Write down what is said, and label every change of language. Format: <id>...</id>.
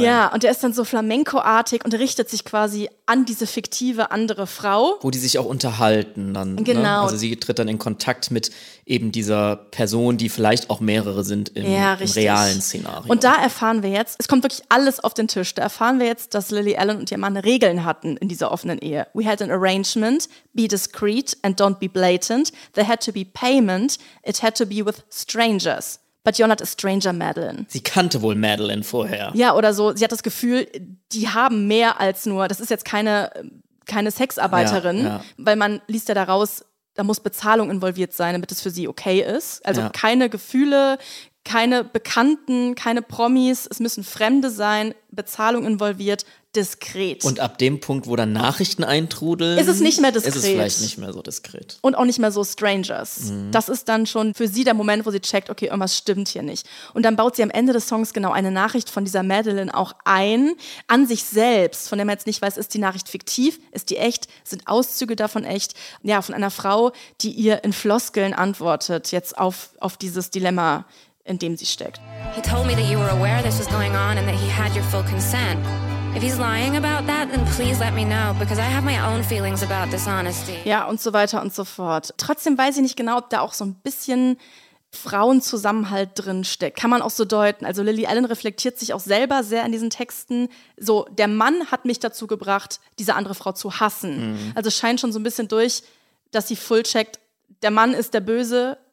<de>Ja, und der ist dann so flamenco-artig und richtet sich quasi an diese fiktive andere Frau. Wo die sich auch unterhalten dann. Genau. Ne? Also sie tritt dann in Kontakt mit eben dieser Person, die vielleicht auch mehrere sind im realen Szenario. Und da erfahren wir jetzt, es kommt wirklich alles auf den Tisch, da erfahren wir jetzt, dass Lily Allen und ihr Mann Regeln hatten in dieser offenen Ehe.</de> <en>We had an arrangement, be discreet and don't be blatant. There had to be payment, it had to be with strangers. But you're not a stranger, Madeline.</en> <de>Sie kannte wohl Madeline vorher. Ja, oder so. Sie hat das Gefühl, die haben mehr als nur, das ist jetzt keine Sexarbeiterin, weil man liest ja daraus, da muss Bezahlung involviert sein, damit es für sie okay ist. Also keine Gefühle, keine Bekannten, keine Promis, es müssen Fremde sein, Bezahlung involviert, diskret. Und ab dem Punkt, wo dann Nachrichten eintrudeln, ist es nicht mehr diskret. Ist es vielleicht nicht mehr so diskret. Und auch nicht mehr so Strangers. Mhm. Das ist dann schon für sie der Moment, wo sie checkt, okay, irgendwas stimmt hier nicht. Und dann baut sie am Ende des Songs genau eine Nachricht von dieser Madeline auch ein, an sich selbst, von der man jetzt nicht weiß, ist die Nachricht fiktiv, ist die echt, sind Auszüge davon echt, ja, von einer Frau, die ihr in Floskeln antwortet, jetzt auf dieses Dilemma, in dem sie steckt.</de> <en>He told me that you were aware this was going on and that he had your full consent. If he's lying about that, then please let me know, because I have my own feelings about dishonesty.</en> <de>Ja, und so weiter und so fort. Trotzdem weiß ich nicht genau, ob da auch so ein bisschen Frauenzusammenhalt drin steckt. Kann man auch so deuten. Also Lily Allen reflektiert sich auch selber sehr in diesen Texten. So, der Mann hat mich dazu gebracht, diese andere Frau zu hassen. Mhm. Also scheint schon so ein bisschen durch, dass sie full checkt, der Mann ist der Böse,</de>